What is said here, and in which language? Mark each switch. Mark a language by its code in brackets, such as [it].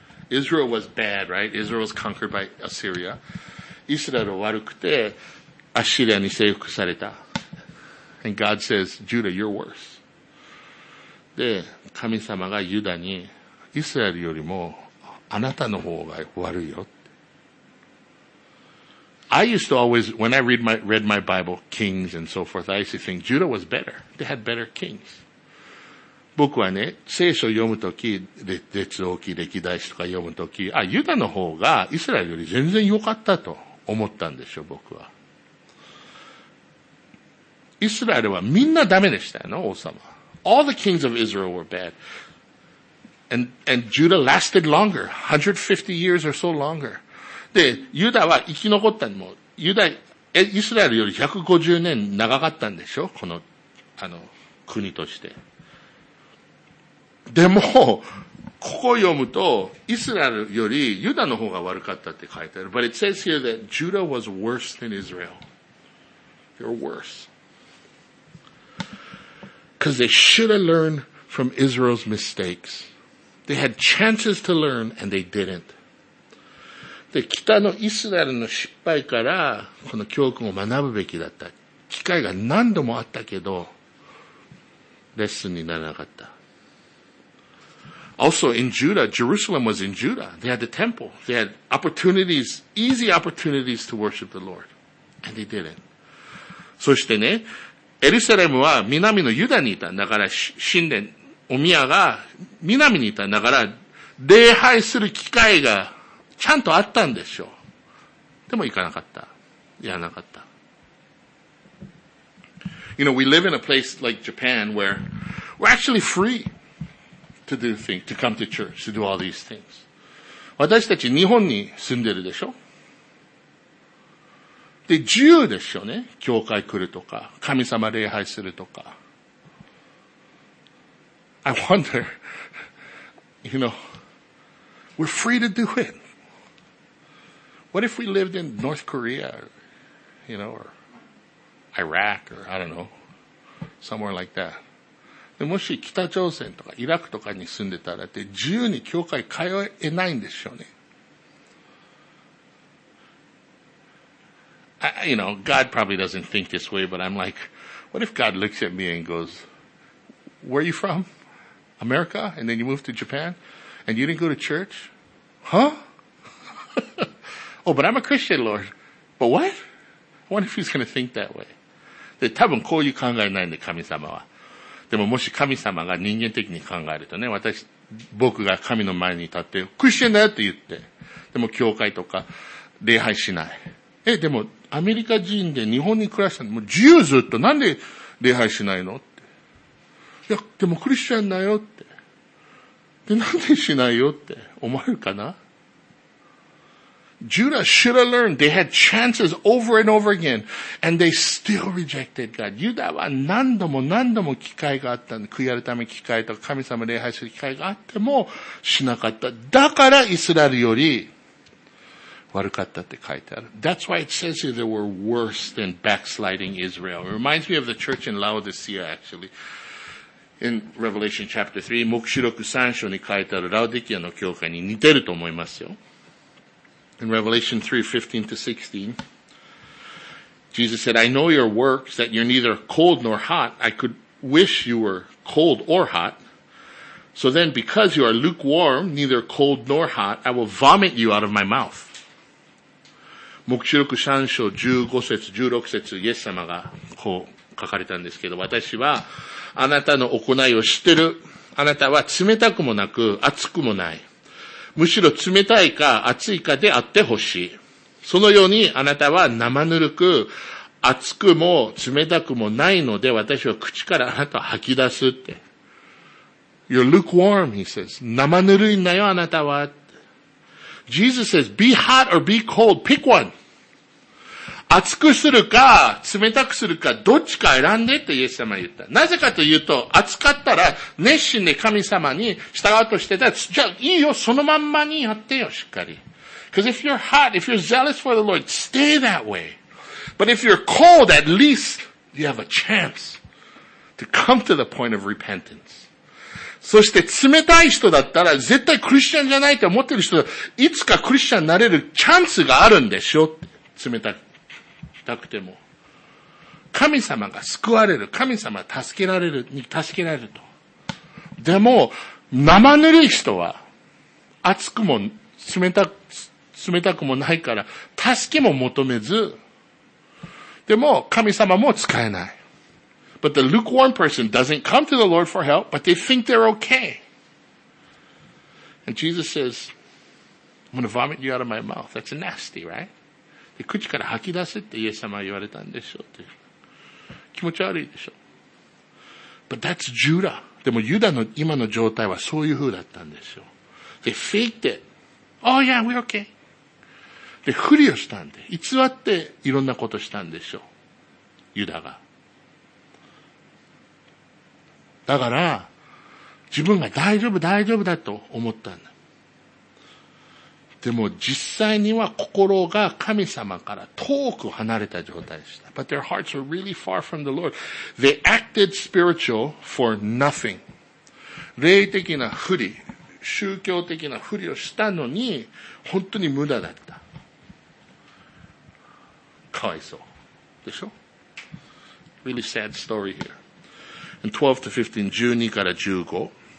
[en] Israel was bad, right? Israel was conquered by Assyria. [ja] イスラエルは悪くて、アッシリアに征服された。 [en] And God says, Judah, you're worse. [ja] で、神様がユダに、イスラエルよりも、あなたの方が悪いよ。 [en] I used to always, when I read my Bible, kings and so forth, I used to think Judah was better. They had better kings. [ja] 僕はね、聖書を読むとき、列王記、歴代史とか読むとき、あ、ユダの方がイスラエルより全然良かったと思ったんでしょ、僕は。イスラエルはみんなダメでしたよ、王様。 [en] All the kings of Israel were bad. And Judah lasted longer. 150 years or so longer. [ja] で、ユダは生き残ったのも、イスラエルより150年長かったんでしょ、この、国として。でも、ここ読むと、イスラエルよりユダの方が悪かったって書いてある。 [en] But it says here that Judah was worse than Israel. You're worse. Because they should have learned from Israel's mistakes. They had chances to learn and they didn't. [ja] で、北のイスラエルの失敗から、この教訓を学ぶべきだった。機会が何度もあったけど、レッスンにならなかった。 [en] Also in Judah, Jerusalem was in Judah. They had the temple. They had opportunities, easy opportunities to worship the Lord. And they didn't. [ja] そしてね、エルサレムは南のユダにいた。だから神殿、お宮が南にいた。だから礼拝する機会がちゃんとあったんでしょう。でも行かなかった。やらなかった。 [en] You know, we live in a place like Japan where we're actually free. To do things, to come to church, to do all these things. [ja] 私たち日本に住んでるでしょ? で、自由でしょね。教会来るとか、神様礼拝するとか。 [en] I wonder, you know, we're free to do it. What if we lived in North Korea, you know, or Iraq, or I don't know, somewhere like that? [ja] でもし北朝鮮とかイラクとかに住んでたらって自由に教会通えないんでしょうね。 [en] You know, God probably doesn't think this way, but I'm like, what if God looks at me and goes, where are you from? America? And then you moved to Japan? And you didn't go to church? Huh? Oh, but I'm a Christian, Lord. But what? I wonder if he's going to think that way. [ja] で、多分こういう考えないんで、神様は。でももし神様が人間的に考えるとね、私、僕が神の前に立って、クリスチャンだよって言って、でも教会とか礼拝しない。え、でもアメリカ人で日本に暮らしたの、もう自由ずっと、なんで礼拝しないのって。いや、でもクリスチャンだよって。で、なんでしないよって思えるかな？ [en] Judah should have learned. They had chances over and over again. And they still rejected God. [ja] Judah は何度も何度も機会があったの。悔い改め機会とか神様礼拝する機会があってもしなかった。だからイスラエルより悪かったって書いてある。 [en] That's why it says here they were worse than backsliding Israel. It reminds me of the church in Laodicea actually. In Revelation chapter 3, [ja] 黙示録3章に書いてあるラオディキアの教会に似てると思いますよ。 [en] In Revelation 3, 15 to 16, Jesus said, I know your works, that you're neither cold nor hot. I could wish you were cold or hot. So then, because you are lukewarm, neither cold nor hot, I will vomit you out of my mouth. [ja] 黙示録3章15節、16節、イエス様がこう書かれたんですけど、私はあなたの行いを知ってる。あなたは冷たくもなく、熱くもない。むしろ冷たいか熱いかであってほしい。そのようにあなたは生ぬるく、熱くも冷たくもないので、私は口からあなたを吐き出すって。 [en] You're lukewarm, he says. [ja] 生ぬるいんだよ、あなたは。 [en] Jesus says, be hot or be cold. Pick one. [ja] 熱くするか、冷たくするか、どっちか選んでってイエス様は言った。なぜかというと、熱かったら、熱心で神様に従うとしてたら、じゃあいいよ、そのまんまにやってよ、しっかり。 [en] Because if you're hot, if you're zealous for the Lord, stay that way. But if you're cold, at least you have a chance to come to the point of repentance. [ja] そして冷たい人だったら、絶対クリスチャンじゃないと思ってる人、いつかクリスチャンになれるチャンスがあるんでしょ、冷たく。なくても神様が救われる、神様が助けられるに助けられると。でも生ぬるい人は熱くも冷たくもないから助けも求めず、でも神様も使えない。 [en] But the lukewarm person doesn't come to the Lord for help, but they think they're okay. And Jesus says, "I'm going to vomit you out of my mouth." That's nasty, right? [ja] 口から吐き出せってイエス様は言われたんでしょうって。気持ち悪いでしょう。 [en] But that's Judah. [ja] でもユダの今の状態はそういう風だったんですよ。 [en] They faked it. Oh yeah, we're okay. [ja] で、ふりをしたんで。偽っていろんなことしたんでしょう。ユダが。だから、自分が大丈夫大丈夫だと思ったんだ。でも実際には心が神様から遠く離れた状態でした。 [en] But their hearts were really far from the Lord. They acted spiritual for nothing. [ja] 霊的なふり、宗教的なふりをしたのに、本当に無駄だった。かわいそう。でしょ？ [en] Really sad story here. And 12 to 15, [ja] 12から15。